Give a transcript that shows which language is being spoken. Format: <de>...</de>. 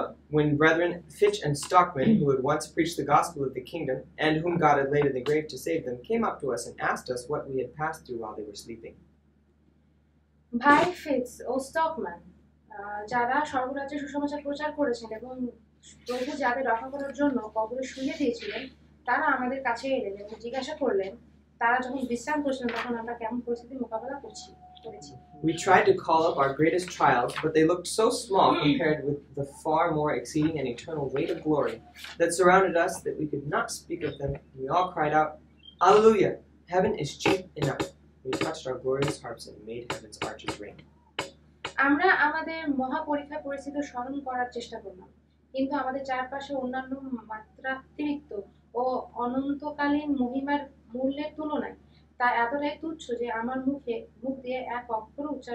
<en>When brethren Fitch and Stockman, who had once preached the gospel of the kingdom and whom God had laid in the grave to save them, came up to us and asked us what we had passed through while they were sleeping. By Fitch or Stockman,</en> <bn>যারা সর্বরাজ্যে সুসমাচার প্রচার করেছেন এবং প্রভু যাদের রক্ষা করার জন্য কবরে শুয়ে দিয়েছিলেন তারা আমাদের কাছে এলেন এবং জিজ্ঞাসা করলেন তারা যখন বিশ্রাম করছিলেন তখন আমরা কেমন পরিস্থিতির মোকাবেলা করছি</bn> <en>We tried to call up our greatest trials, but they looked so small compared with the far more exceeding and eternal weight of glory that surrounded us that we could not speak of them. We all cried out, Alleluia! Heaven is cheap enough. We touched our glorious harps and made heaven's arches ring.</en> <bn>আমরা আমাদের মহাপরীক্ষা পরিস্থিতি স্মরণ করার চেষ্টা করলাম কিন্তু আমাদের চারপাশে অন্যান্য মাত্রাতিরিক্ত ও অনন্তকালীন মহিমার মূল্যের তুলনায় তা এতটাই তুচ্ছ যে আমার মুখে মুখ দিয়ে এক অক্ষর</bn>